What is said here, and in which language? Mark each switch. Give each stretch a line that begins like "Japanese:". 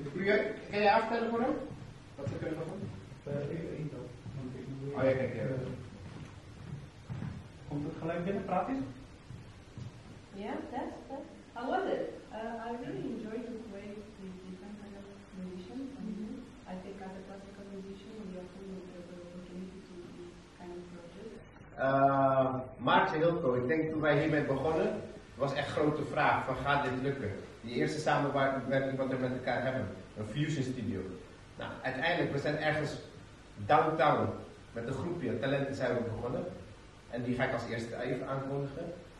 Dutch: Kun jij aftellen voor hem? Wat we kunnen doen? Even één dan. Oh ja, kijk. Komt het gelijk binnen, praat eens.
English: Yeah, how was it? I really enjoyed to play with different kind of musicians. I think as a classical musician, we often have the opportunity to do this kind of project.
Dutch: Maarten Hilco, ik denk toen wij hiermee begonnen, was echt grote vraag van gaat dit lukken? Die eerste samenwerking wat we met elkaar hebben, een fusion studio. Nou, uiteindelijk, we zijn ergens downtown met een groepje talenten zijn we begonnen. En die ga ik als eerste even aankondigen.